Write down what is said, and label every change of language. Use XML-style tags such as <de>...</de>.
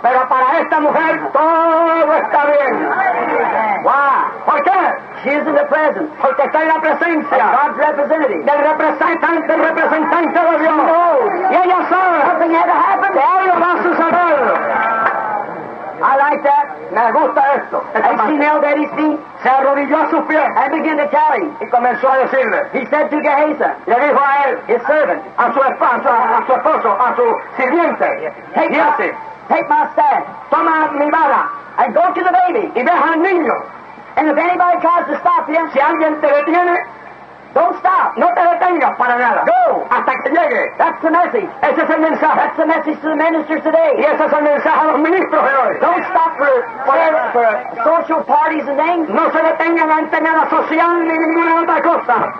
<es>Pero para esta mujer, todo está bien.</es> <en>Why?</en> <es>¿Por qué?</es> <en>She is in the presence.</en> <es>Porque está en la presencia.</es> <en>Of God's representative.</en> <es>Del representante de Dios.</es> <en>No.</en> <es>Y ella sabe.</es> <en>Something had to happen.</en> <es>Que algo va a suceder.</es> <en>I like that.</en> <es>Me gusta esto.</es> <en>And she knelt at his feet.</en> <es>Se arrodilló a sus pies.</es> <en>And began to tell him.</en> <es>Y comenzó a decirle.</es> <en>He said to Gehazi.</en> <es>Le dijo a él.</es> <en>His servant.</en> <es>A su esposo. A su sirviente.</es> <en>Take my staff.</en> <es>Toma mi vara.</es> <en>And go to the baby.</en> <es>Y deja al niño.</es> <en>And if anybody tries to stop you.</en> <es>Si alguien te detiene.</es> <en>Don't stop.</en> <es>No te detengas para nada.</es> <en>Go.</en> <es>Hasta que llegue.</es> <en>That's the message.</en> <es>Ese es el mensaje.</es> <en>That's the message to the ministers today.</en> <es>Y ese es el mensaje a los ministros de hoy.</es> <en>Don't stop for social parties and things.</en> <es>No se detengan ante nada social ni ninguna otra cosa.</es>